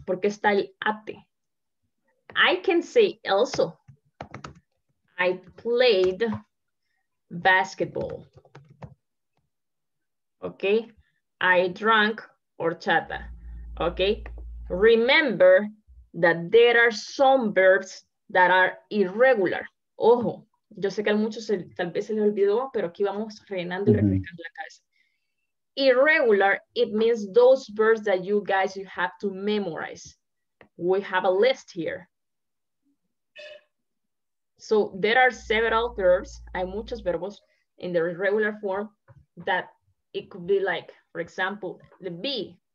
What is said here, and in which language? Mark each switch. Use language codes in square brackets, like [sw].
[es] ¿Por qué está el ate? [en] I can say also, I played basketball. Okay, I drank horchata. Okay, remember that there are some verbs that are irregular. [es] Ojo, yo sé que a muchos se, tal vez se les olvidó, pero aquí vamos rellenando y refrescando la cabeza. [en] Irregular, it means those verbs that you guys you have to memorize. We have a list here. So there are several verbs, [es] hay muchos verbos [en] in the irregular form that it could be like, for example, the be.